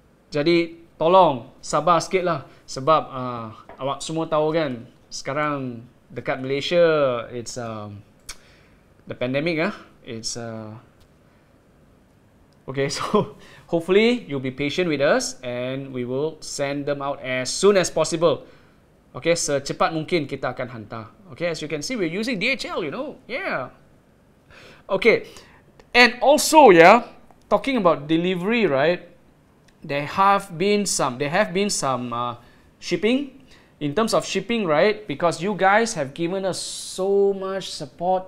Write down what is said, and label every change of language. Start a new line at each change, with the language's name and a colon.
Malay: Jadi, tolong sabar sikit lah. Sebab awak semua tahu kan, sekarang dekat Malaysia,
English: it's the pandemic
Malay: lah.
English: It's, okay, so hopefully you'll be patient with us and we will send them out as soon as possible.
Malay: Okay, secepat mungkin kita akan hantar.
English: Okay, as you can see, we're using DHL, you know. Yeah. Okay. And also, yeah, talking about delivery, right? There have been some shipping. In terms of shipping, right? Because you guys have given us so much support.